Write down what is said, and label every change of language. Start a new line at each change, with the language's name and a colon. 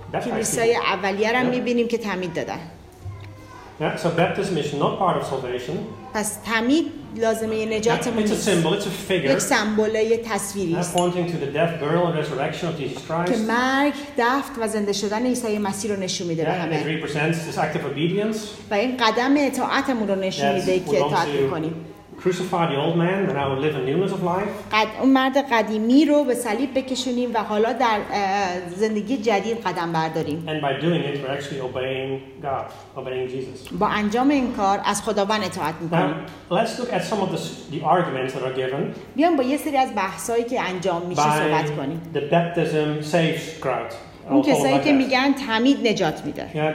Persian: کلیسای اولیه رو میبینیم که تعمید دادن.
English: Yeah, so baptism is not part of salvation.
Persian: پس تعمید لازمه نجات ما نیست.
English: It's a symbol, it's a figure.
Persian: یک سمبل، یک تصویری.
English: That's pointing to the death, burial, and resurrection of Jesus Christ.
Persian: که مرگ، دفن و زنده شدن عیسی مسیح رو نشون میده به همه.
English: It represents this act of obedience.
Persian: و این قدم اطاعتمون رو نشون میده که اطاعت میکنیم.
English: Crucify the old man, and I will live a newness of life.
Persian: اون مرد قدیمی رو به صلیب بکشونیم و حالا در زندگی جدید قدم برداریم.
English: And by doing it, we're actually obeying God, obeying Jesus.
Persian: با انجام این کار از خداوند اطاعت میکنیم.
English: Now, let's look at some of the arguments that are given.
Persian: بیام با یه سری از بحثایی که انجام میشه صحبت کنیم.
English: The baptism saves crowd.
Persian: اون کسایی که میگن تعمید نجات میده.